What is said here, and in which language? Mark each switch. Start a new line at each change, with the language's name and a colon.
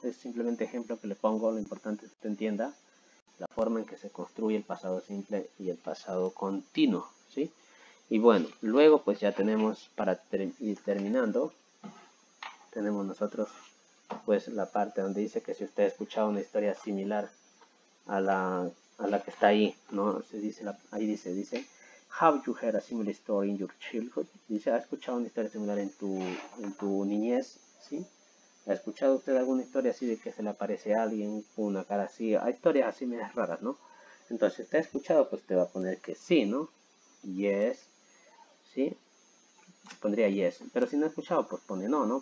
Spanish: Es simplemente ejemplo que le pongo. Lo importante es que usted entienda la forma en que se construye el pasado simple y el pasado continuo, ¿sí? Y bueno, luego pues ya tenemos para ir terminando... Tenemos nosotros, pues, la parte donde dice que si usted ha escuchado una historia similar a la que está ahí, ¿no? Se dice, dice,
English: have you heard a similar story in your childhood?
Spanish: Dice, ¿ha escuchado una historia similar en tu niñez? ¿Sí? ¿Ha escuchado usted alguna historia así de que se le aparece a alguien con una cara así? Hay historias así medias raras, ¿no? Entonces, si usted ha escuchado, pues, te va a poner que sí, ¿no? Yes, ¿sí? Pondría yes, pero si no ha escuchado, pues pone no, ¿no?